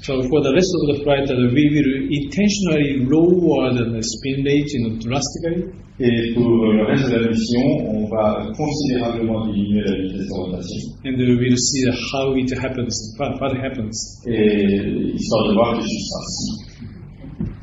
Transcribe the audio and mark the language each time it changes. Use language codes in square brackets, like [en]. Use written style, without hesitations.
[en] So for the rest of the flight, we will intentionally lower the spin rate, you know, drastically. [fr] Et pour le reste de la mission, on va considérablement diminuer la vitesse de rotation. [en] And we will see how it happens, what happens. [fr] Et histoire de voir que ça se passe.